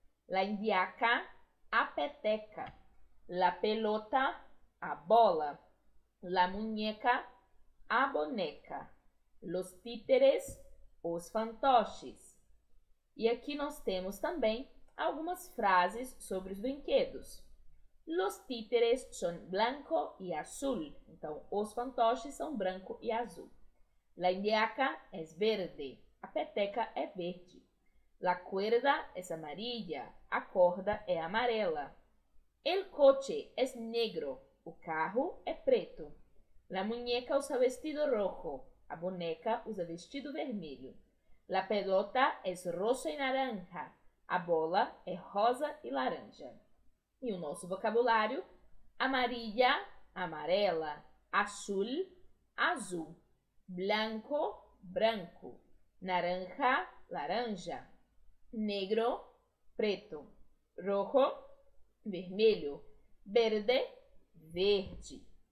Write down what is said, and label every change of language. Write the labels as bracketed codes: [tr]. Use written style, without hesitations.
[es] La indiaca, [pt] a peteca. [es] La pelota, [pt] a bola. [es] La muñeca, [pt] a boneca. [es] Los títeres, [pt] os fantoches. E aqui nós temos também algumas frases sobre os brinquedos. [es] Los títeres son blanco y azul. [pt] Então, os fantoches são branco e azul. [es] La indiaca es verde. [pt] A peteca é verde. [es] La cuerda es amarilla. [pt] A corda é amarela. [es] El coche es negro. [pt] O carro é preto. [es] La muñeca usa vestido rojo. [pt] A boneca usa vestido vermelho. [es] La pelota es rosa y naranja. [pt] A bola é rosa e laranja. E o nosso vocabulário: amarilla, amarela; azul, azul; blanco, branco; naranja, laranja; negro, preto; rojo, vermelho; verde, verde.